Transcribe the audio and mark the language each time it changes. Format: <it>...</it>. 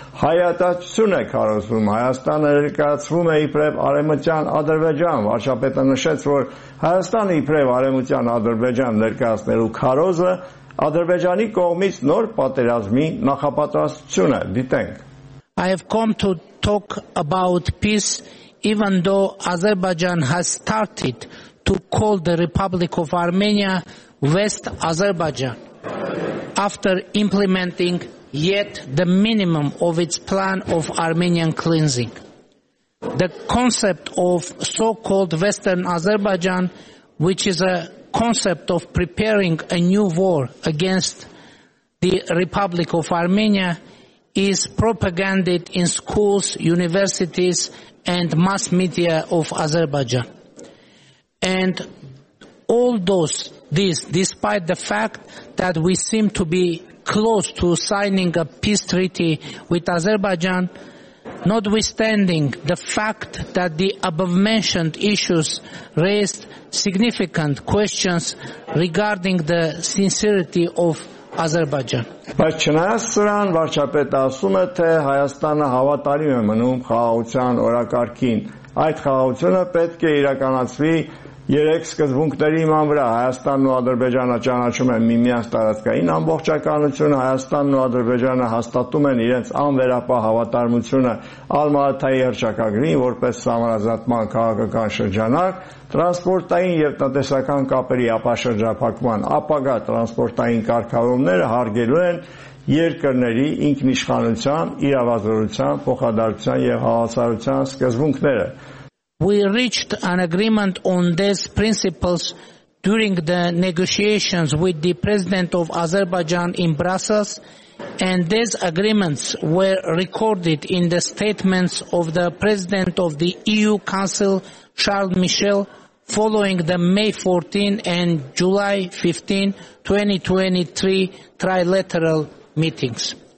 <hy>հայատացություն է քարոզվում, Հայաստանը ներկայացվում է իբրև արևմտյան Ադրբեջան։ Վարչապետը նշեց, որ Հայաստանը իբրև արևմտյան Ադրբեջան ներկայացնելու քարոզը Ադրբեջանի կողմից նոր պատերազմի նախապատրաստություն է։ Դիտենք.</hy> <en>I have come to talk about peace even though Azerbaijan has started to call the Republic of Armenia West Azerbaijan after implementing yet the minimum of its plan of Armenian cleansing. The concept of so-called Western Azerbaijan, which is a concept of preparing a new war against the Republic of Armenia, is propagated in schools, universities, and mass media of Azerbaijan. And all those, this, despite the fact that we seem to be close to signing a peace treaty with Azerbaijan, notwithstanding the fact that the above-mentioned issues raised significant questions regarding the sincerity of Azerbaijan.</en> <hy>Բայց չնայած սրան, վարչապետը ասում է, թե Հայաստանը հավատարիմ է մնում խաղաղության օրակարգին։ Այդ խաղաղությունը պետք է իրականացվի երեք սկզբունքների իման վրա. Հայաստանն ու Ադրբեջանը ճանաչում են միմյանց տարածքային ամբողջականությունը, Հայաստանն ու Ադրբեջանը հաստատում են իրենց անվերապահ հավատարմությունը Ալմաատայի հռչակագրին որպես սահմանազատման քաղաքական շրջանակ, տրանսպորտային և տնտեսական կապերի ապաշրջափակման ապագա տրանսպորտային կարգավորումները հարգելու են երկրների ինքնիշխանության, իրավազորության, փոխադարձության և հավասարության սկզբունքները։</hy> <en>We reached an agreement on these principles during the negotiations with the President of Azerbaijan in Brussels, and these agreements were recorded in the statements of the President of the EU Council, Charles Michel, following the May 14 and July 15, 2023 trilateral meetings.</en>